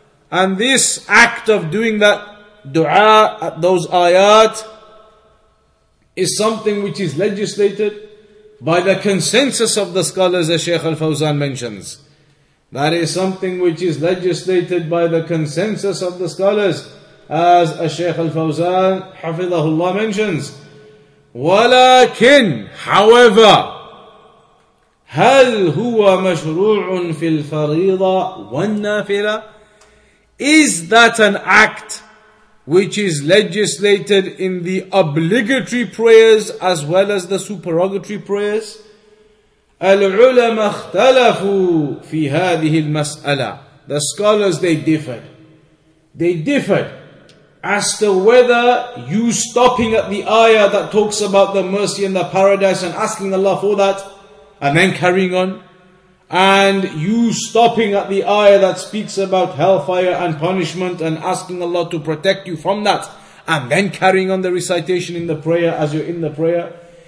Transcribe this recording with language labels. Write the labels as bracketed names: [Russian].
[English] And this act of doing that dua at those ayat is something which is legislated by the consensus of the scholars, as Shaykh Al-Fawzan mentions. That is something which is legislated by the consensus of the scholars, as Shaykh Al-Fawzan, Hafidhahullah, mentions. [Arabic] وَلَكِنْ [English] however, [Arabic] هَلْ هُوَ مَشْرُوعٌ فِي الْفَرِيضَةِ وَالنَّافِلَةِ. [English] Is that an act which is legislated in the obligatory prayers as well as the supererogatory prayers? [Arabic] الْعُلَمَ اخْتَلَفُوا فِي هَذِهِ الْمَسْأَلَةِ. [English] The scholars, they differed. They differed as to whether you stopping at the ayah that talks about the mercy and the paradise and asking Allah for that and then carrying on, and you stopping at the ayah that speaks about hellfire and punishment and asking Allah to protect you from that, and then carrying on the recitation in the prayer as you're in the prayer.